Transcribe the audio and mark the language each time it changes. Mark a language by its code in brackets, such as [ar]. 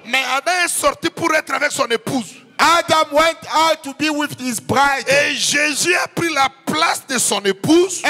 [fr] Mais Adam est sorti pour être avec son épouse. [en] Adam went out to be with his bride. [fr] Et Jésus a pris la place de son épouse.